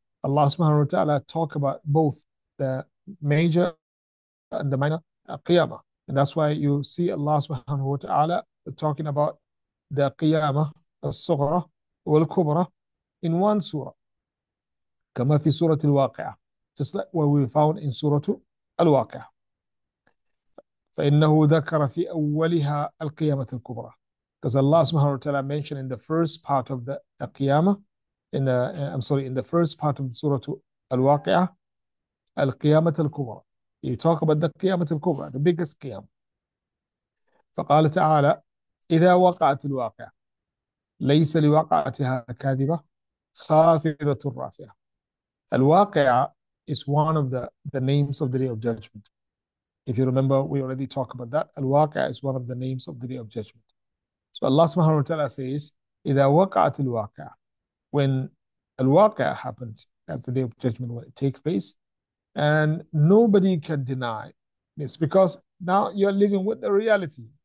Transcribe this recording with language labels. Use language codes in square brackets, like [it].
[en] Allah subhanahu wa ta'ala talk about both the major and the minor qiyamah. And that's why you see Allah subhanahu wa ta'ala talking about the qiyamah, al-sughra, wal-kubra in one surah. [ar] كما في سورة الواقعة. [en] Just like what we found in سورة الواقعة. [ar] فإنه ذكر في أولها القيامة الكبرى. [en] Because Allah subhanahu wa ta'ala mentioned in the first part of the Qiyamah, in the first part of the Surah Al-Waqi'ah, Al-Qiyamah Al-Kubra. You talk about the Qiyamah Al-Kubra, the biggest Qiyamah. [ar] فقال تعالى, إذا وقعت الواقعة, ليس لوقعتها كاذبة, خافضة الرافعة. [en] Al-Waqi'ah is one of the names of the Day of Judgment. If you remember, we already talked about that. Al-Waqi'ah is one of the names of the Day of Judgment. So Allah subhanahu wa ta'ala says, إِذَا وَقَعَتِ الْوَاقِعَ, when al-waqi'a happens at the Day of Judgment, when it takes place, and nobody can deny this, because now you're living with the reality.